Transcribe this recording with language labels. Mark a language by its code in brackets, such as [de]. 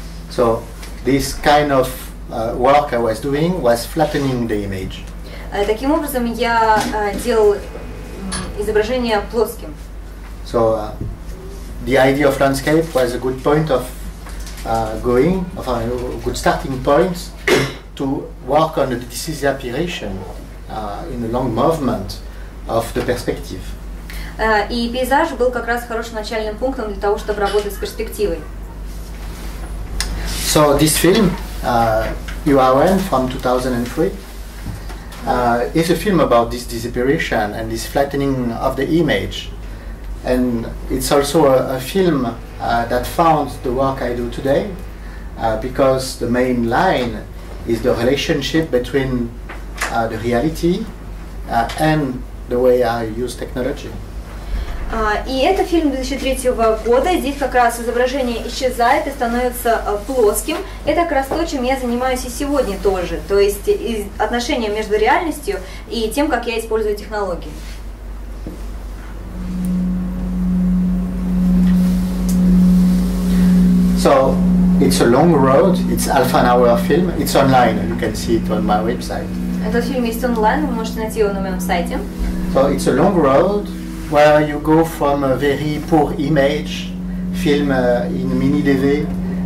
[en] So, this kind of work I was doing was flattening the image. [ru] Таким образом, я делал изображение плоским. [en] So, the idea of landscape was a good point of going, of a good starting point, to work on the disappearance in a long movement of the perspective. [ru] И пейзаж был как раз хорошим начальным пунктом для того, чтобы работать с перспективой. [en] So this film, UON from 2003, is a film about this disappearance and this flattening of the image. And it's also a film that found the work I do today, because the main line is the relationship between the reality and the way I use technology. [ru] И это фильм 2003 года. Здесь как раз изображение исчезает и становится плоским. Это как раз то, чем я занимаюсь и сегодня тоже. То есть отношение между реальностью и тем, как я использую технологии. [en] So, it's a long road, it's half an hour film, it's online, you can see it on my website. [ru] Этот фильм есть онлайн, вы можете найти его на моем сайте. [en] So it's a long road where you go from a very poor image, film in mini DV,